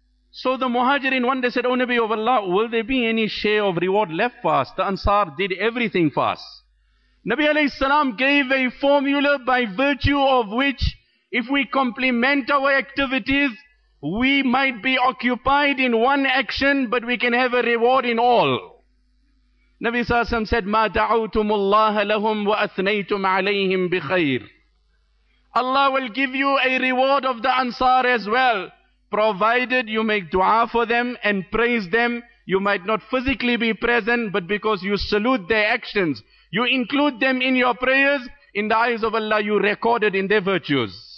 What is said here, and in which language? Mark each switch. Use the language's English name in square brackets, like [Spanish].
[English] So the Muhajirin one day said, O Nabi of Allah, will there be any share of reward left for us? The Ansar did everything for us. Nabi alayhi salam gave a formula by virtue of which, if we complement our activities, we might be occupied in one action, but we can have a reward in all. Nabi sallallahu alayhi wa sallam said, [Arabic] مَا دَعُوتُمُ اللَّهَ لَهُمْ وَأَثْنَيْتُمْ عَلَيْهِمْ بِخَيْرٍ. [English] Allah will give you a reward of the Ansar as well, provided you make dua for them and praise them. You might not physically be present, but because you salute their actions, you include them in your prayers, in the eyes of Allah, you recorded in their virtues.